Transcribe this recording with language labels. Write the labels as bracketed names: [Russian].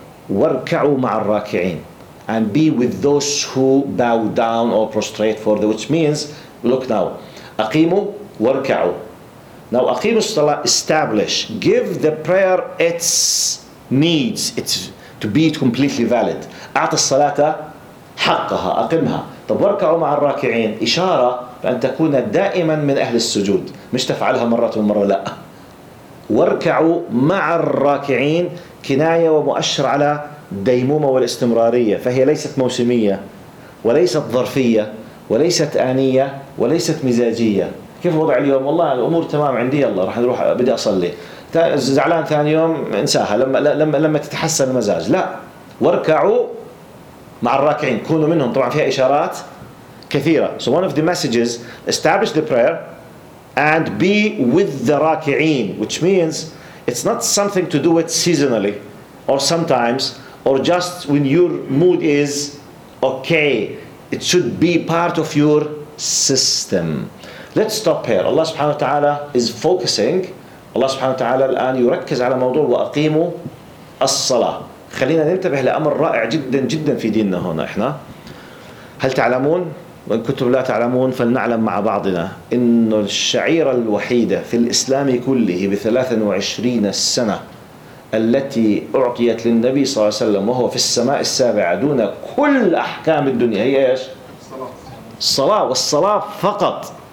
[Arabic] واركعوا مع الراكعين [English] and be with those who bow down or prostrate for the, which means look now, [Arabic] أقيموا واركعوا. [English] Now [Arabic] أقيم الصلاة, [English] establish, give the prayer its needs, it's to be completely valid. [Arabic] أعطي الصلاة حقها, أقمها. طب واركعوا مع الراكعين, إشارة بأن تكون دائما من أهل السجود, مش تفعلها مرة ومرة لا. واركعوا مع الراكعين كناية ومؤشر على ديمومة والاستمرارية, فهي ليست موسمية وليست ظرفية وليست آنية وليست مزاجية. كيف وضع اليوم؟ والله الأمور تمام عندي, الله راح نروح بدي أصلي, زعلان ثاني يوم انساها لما تتحسن المزاج. لا, واركعوا مع الراكعين, كونوا منهم. طبعا فيها إشارات كثيرة. [English] So one of the messages, establish the prayer and be with the راكعين, which means it's not something to do it seasonally or sometimes or just when your mood is okay, it should be part of your system. Let's stop here. Allah subhanahu wa ta'ala is focusing. [Arabic] Allah subhanahu wa ta'ala الآن يركز على موضوع وأقيموا الصلاة. خلينا ننتبه لأمر رائع جدا جدا في ديننا هنا. إحنا هل تعلمون وإن كنتم لا تعلمون فلنعلم مع بعضنا إن الشعيرة الوحيدة في الإسلام كله ب23 سنة التي أعطيت للنبي صلى الله عليه وسلم وهو في السماء السابعة دون كل أحكام الدنيا هي إيش؟ الصلاة, والصلاة فقط.